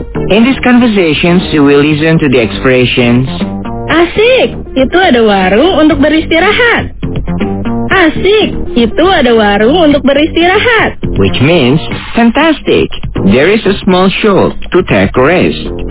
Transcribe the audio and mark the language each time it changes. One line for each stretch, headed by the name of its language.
English: In these conversations, you will listen to the expressions.
Indonesian: Asik, itu ada warung untuk beristirahat. Asik, itu ada warung untuk beristirahat.
English: Which means fantastic. There is a small shop to take rest.